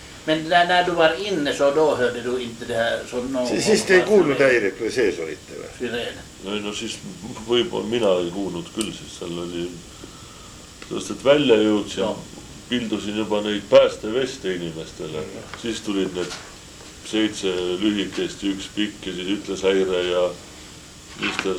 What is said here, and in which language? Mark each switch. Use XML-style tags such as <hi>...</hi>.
<sv>Men när du var inne så då hörde du inte det här så någon gång.</sv> <fi>Siis te ei kuullut häiret, kun sees olitte vai?</fi> <et>Sireen. No siis võibolla</et> <fi>minä ei kuullut kyllä,</fi> <et>siis seal oli... Sest et välja jõudsin, no. Pildusin juba neid päästeveste inimestele. No. Siis tulid need 7 lühikest ja 1 pikk ja siis ütles häire ja... Mr.</et>